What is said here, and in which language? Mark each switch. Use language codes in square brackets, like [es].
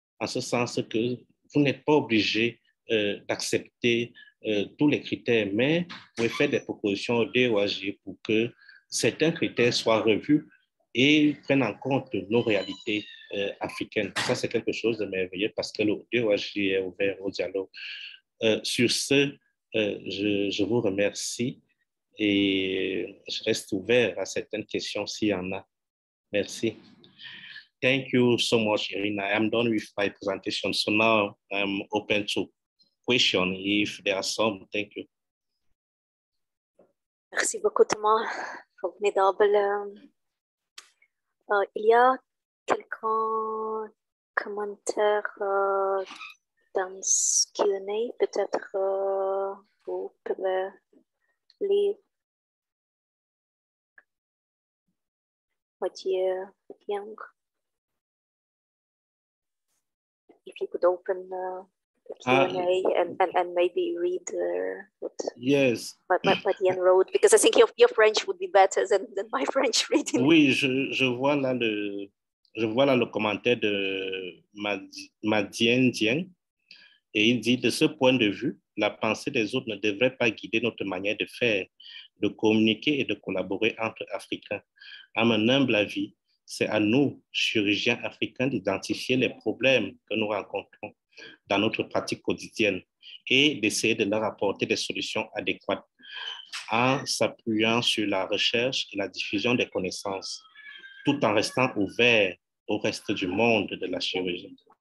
[fr] en ce sens que vous n'êtes pas obligé d'accepter tous les critères, mais vous pouvez faire des propositions au DOAJ pour que certains critères soient revus et prennent en compte nos réalités africaines. Ça, c'est quelque chose de merveilleux parce que le DOAJ est ouvert au dialogue. Sur ce, je vous remercie et je reste ouvert à certaines questions s'il y en a. Merci. [en] Thank you so much, Irina. I'm done with my presentation. So now I'm open to questions if there are some. Thank you. [fr] Merci beaucoup, Thomas. Formidable. Il y a quelqu'un commentaire dans ce Q&A, peut-être vous pouvez lire. Mathieu Young. [en] If you could open the Q&A and maybe read what Ian wrote, because I think your French would be better than my French reading. [fr] Oui, je vois là le commentaire de Madien Dien, et il dit, de ce point de vue, la pensée des autres ne devrait pas guider notre manière de faire, de communiquer et de collaborer entre Africains. À mon humble avis, c'est à nous, chirurgiens africains, d'identifier les problèmes que nous rencontrons dans notre pratique quotidienne et d'essayer de leur apporter des solutions adéquates en s'appuyant sur la recherche et la diffusion des connaissances, tout en restant ouverts au reste du monde de la chirurgie.